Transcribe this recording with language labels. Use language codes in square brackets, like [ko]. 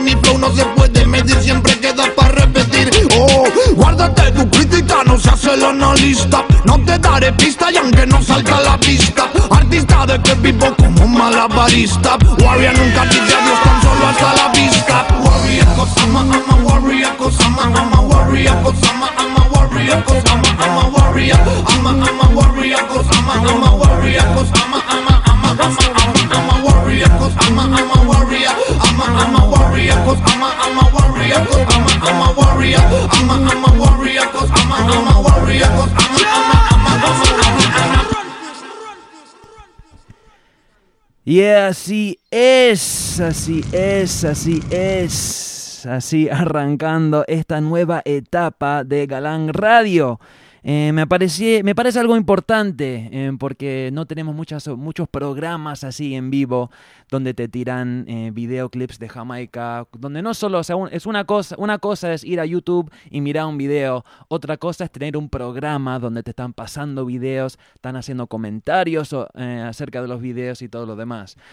[es] Mi flow no se puede medir, siempre queda para repetir. Oh, guárdate tu crítica, no seas el analista. No te daré pista y aunque no salga a la vista. Artista de que vivo como un malabarista. Warrior nunca dice adiós, tan solo hasta la vista. [en] Warrior Kosama, I'm a warrior Kosama, I'm a warrior Kosama, I'm a warrior Kosama, I'm a warrior. I'm a warrior Kosama, I'm a warrior Kosama, I'm a warrior Kosama, I'm a warrior. I'm a warrior Kosama, I'm a warrior Kosama, I'm a warrior. I'm a warrior Kosama, I'm a warrior Kosama, [es] Y yeah, así es, así es, así es, así arrancando esta nueva etapa de Galán Radio. Me parece algo importante, porque no tenemos muchos programas así en vivo donde te tiran videoclips de Jamaica, donde no solo, o sea, es una cosa es ir a YouTube y mirar un video, otra cosa es tener un programa donde te están pasando videos, están haciendo comentarios acerca de los videos y todo lo demás.